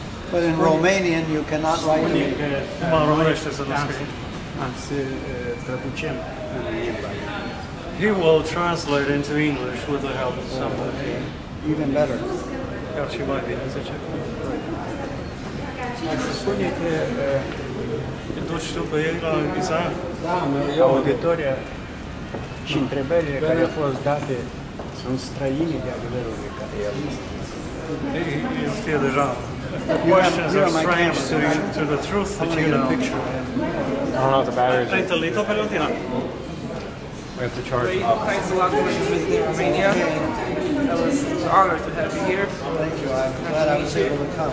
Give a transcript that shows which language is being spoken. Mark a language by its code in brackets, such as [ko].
[en] But in Romanian, you cannot write to me. He will translate into English with the help of somebody. Even better. [ro] Și întrebările care au fost date sunt străine de adevărului care i-a fost. [en] You see the job. The questions are strange to the truth that you know. I don't know the batteries. Wait a little, Pelotina. We have to charge them. Thanks a lot for your visit in Romania. It was an honor to have you here. Well, thank you. I'm glad I was able to come.